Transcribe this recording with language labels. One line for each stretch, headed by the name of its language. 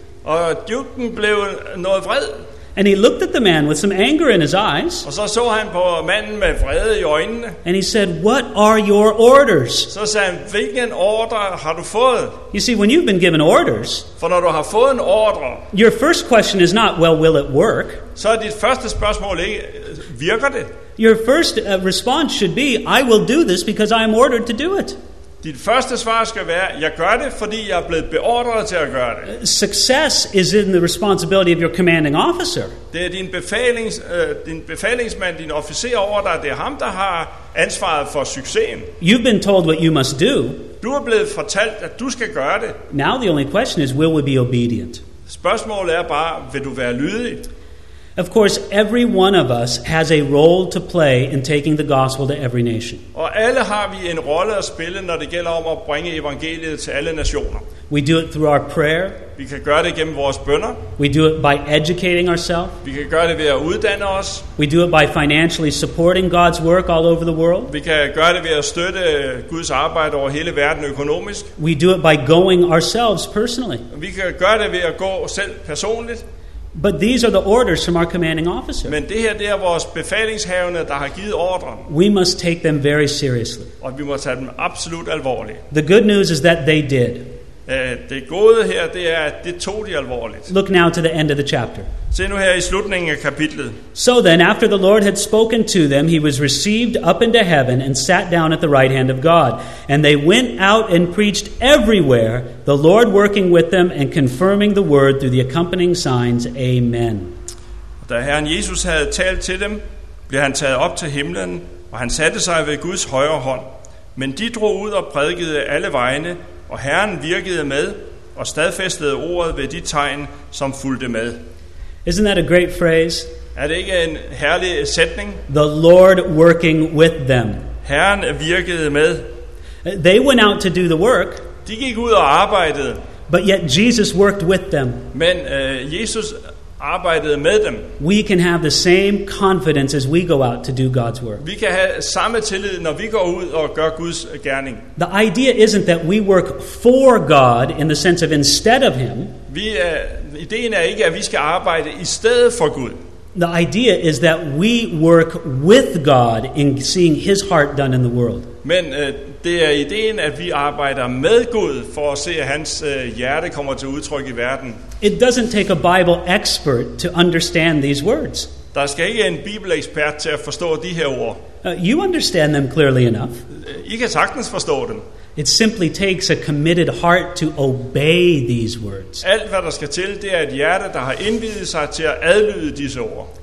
Danish: Og duken blev noget vred.
English: And he looked at the man with some anger in his eyes.
Danish: Og så han på manden med vrede i øjnene.
English: And he said, "What are your orders?"
Danish: Så sagde han, "Hvilken ordre har du fået?"
English: You see, when you've been given orders,
Danish: for når du har fået en ordre,
English: your first question is not, "Well, will it work?"
Danish: Så dit første spørgsmål ikke, virker det?
English: Your first response should be, "I will do this because I am ordered to do it."
Danish: Dit første svar skal være, jeg gør det, fordi jeg er blevet beordret til at gøre det.
English: Success is in the responsibility of your commanding officer.
Danish: Det er din befalingsmand, din officer over dig, det er ham, der har ansvaret for succesen.
English: You've been told what you must do.
Danish: Du er blevet fortalt, at du skal gøre det.
English: Now the only question is, will we be obedient?
Danish: Spørgsmålet er bare, vil du være lydig?
English: Of course, every one of us has a role to play in taking the gospel to every nation.
Danish: Og alle har vi en rolle at spille, når det gælder om at bringe evangeliet til alle nationer.
English: We do it through our prayer.
Danish: Vi kan gøre det gennem vores bønner.
English: We do it by educating ourselves.
Danish: Vi kan gøre det ved at uddanne os.
English: We do it by financially supporting God's work all over the world.
Danish: Vi kan gøre det ved at støtte Guds arbejde over hele verden økonomisk.
English: We do it by going ourselves personally.
Danish: Vi kan gøre det ved at gå selv personligt.
English: But these are the orders from our commanding officer.
Danish: Men det her, det er vores befalingshavende, der har givet ordren.
English: We must take them very seriously.
Danish: Og vi må tage dem absolut alvorligt.
English: The good news is that they did.
Danish: Det gode her, det er, at det tog de alvorligt.
English: Look now to the end of the chapter.
Danish: Se nu her i slutningen af kapitlet.
English: So then, after the Lord had spoken to them, he was received up into heaven and sat down at the right hand of God. And they went out and preached everywhere, the Lord working with them and confirming the word through the accompanying signs. Amen.
Danish: Da Herren Jesus havde talt til dem, blev han taget op til himlen, og han satte sig ved Guds højre hånd. Men de drog ud og prædikede alle vegne, og Herren virkede med og stadfæstede ordet ved de tegn, som fulgte med.
English: Isn't that a great phrase?
Danish: Er det ikke en herlig sætning?
English: The Lord working with them.
Danish: Herren virkede med.
English: They went out to do the work.
Danish: De gik ud og arbejdede.
English: But yet Jesus worked with them.
Danish: Men Jesus arbejdede med dem.
English: We can have the same confidence as we go out to do God's work.
Danish: Vi kan have samme tillid, når vi går ud og gør Guds gerning.
English: The idea isn't that we work for God in the sense of instead of him.
Danish: Ideen er ikke, at vi skal arbejde i stedet for Gud.
English: The idea is that we work with God in seeing his heart done in the world.
Danish: Men det er ideen, at vi arbejder med Gud for at se, at hans hjerte kommer til udtryk i verden.
English: It doesn't take a Bible expert to understand these words.
Danish: Der skal ikke en bibelekspert til at forstå de her ord.
English: You understand them clearly enough.
Danish: I kan sagtens forstå dem.
English: It simply takes a committed heart to obey these words.
Danish: Alt hvad der skal til, det er et hjerte, der har indviet sig til at adlyde disse ord.